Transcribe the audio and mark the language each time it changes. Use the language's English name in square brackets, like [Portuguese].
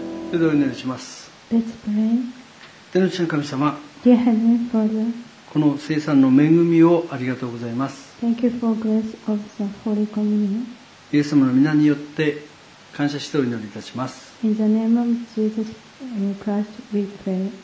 [Japanese] それでお祈りします。 [English] Let's pray. [Japanese] 天の父の神様、 [English] Dear Heavenly Father, [Japanese] この聖餐の恵みをありがとうございます。 [English] Thank you for grace of the Holy Communion. [Japanese] イエス様の御名によって感謝してお祈りいたします。 [English] In the name of Jesus Christ we pray.